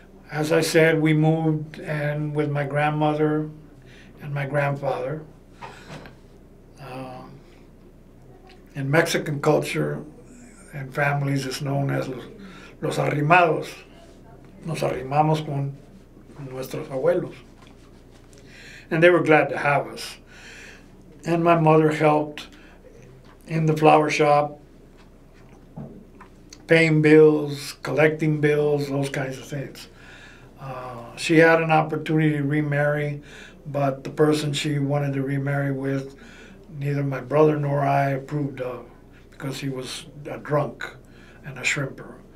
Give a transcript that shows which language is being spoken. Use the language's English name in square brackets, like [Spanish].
[English] As I said, we moved and with my grandmother and my grandfather. In Mexican culture and families, it's known as los arrimados. [Spanish] Nos arrimamos con nuestros abuelos. [English] And they were glad to have us. And my mother helped in the flower shop, paying bills, collecting bills, those kinds of things. She had an opportunity to remarry, but the person she wanted to remarry with, neither my brother nor I approved of, because he was a drunk and a shrimper.